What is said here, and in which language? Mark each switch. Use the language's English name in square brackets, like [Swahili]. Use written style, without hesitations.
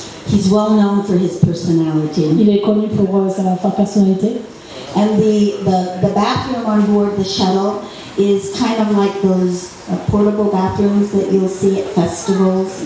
[English] He's well known for his personality. [French] Il est connu pour sa forte personnalité. [English] And the bathroom on board the shuttle is kind of like those portable bathrooms that you'll see at festivals.